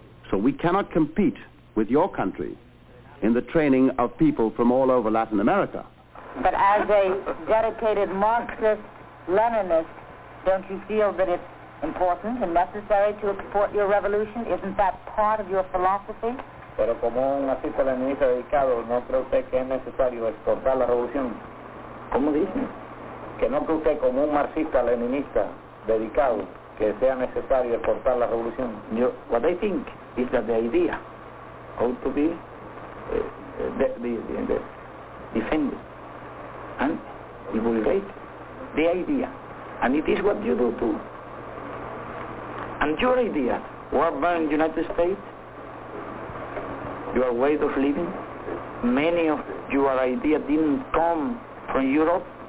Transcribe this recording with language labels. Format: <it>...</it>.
<en>So we cannot compete with your country in the training of people from all over Latin America. But as a dedicated Marxist-Leninist, don't you feel that it's important and necessary to export your revolution? Isn't that part of your philosophy?</en> <es>Pero como un artista leninista dedicado, ¿no cree usted que es necesario exportar la revolución? ¿Cómo dice? Que no cree usted como un marxista leninista dedicado que sea necesario exportar la revolución.</es> <en>Yo, what I think is that the idea ought to be defended and divulgate the idea. And it is what you do too. And your idea, war burn United States, your way of living, many of your ideas didn't come from Europe.</en>